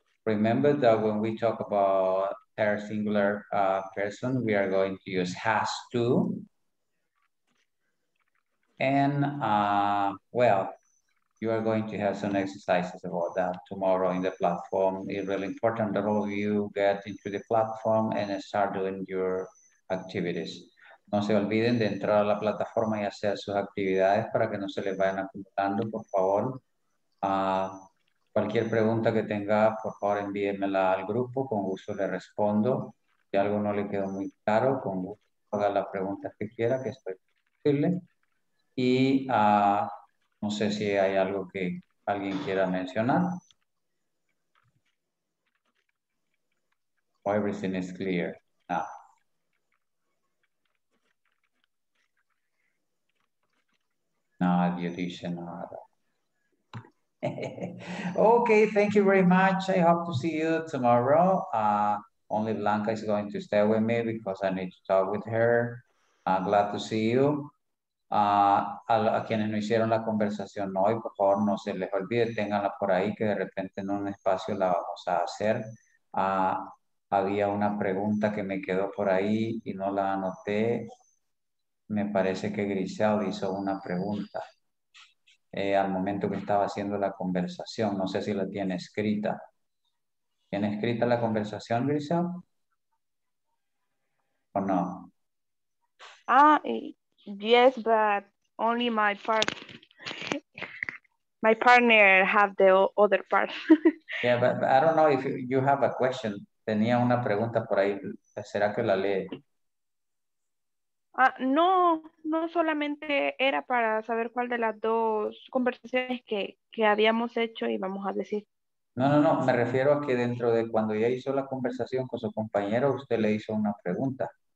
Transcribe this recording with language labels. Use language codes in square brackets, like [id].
[en] Remember that when we talk about third singular person, we are going to use has to. And well, you are going to have some exercises about that tomorrow in the platform. It's really important that all of you get into the platform and start doing your activities. [es] No se olviden de entrar a la plataforma y hacer sus actividades para que no se les vayan acumulando, por favor. Cualquier pregunta que tenga, por favor, envíenmela al grupo. Con gusto le respondo. Si algo no le quedó muy claro, con gusto haga las preguntas que quiera, que estoy posible. Y no sé si hay algo que alguien quiera mencionar. [en] Oh, everything is clear now. [es] Nadie dice nada. [en] Okay, thank you very much. I hope to see you tomorrow. Only Blanca is going to stay with me because I need to talk with her. I'm glad to see you. [es] A quienes no hicieron la conversación hoy, por favor, no se les olvide, ténganla por ahí que de repente en un espacio la vamos a hacer. Había una pregunta que me quedó por ahí y no la anoté. Me parece que Grisel hizo una pregunta al momento que estaba haciendo la conversación. No sé si la tiene escrita. ¿Tiene escrita la conversación, Grisel? ¿O no? [en] Yes, but only my partner have the other part. Yeah, but I don't know if you have a question. [es] tenía una pregunta por ahí. ¿Será que la lee? No, no solamente era para saber cuál de las dos conversaciones que habíamos hecho y vamos a decir. No, me refiero a que dentro de cuando ya hizo la conversación con su compañero, usted le hizo una pregunta.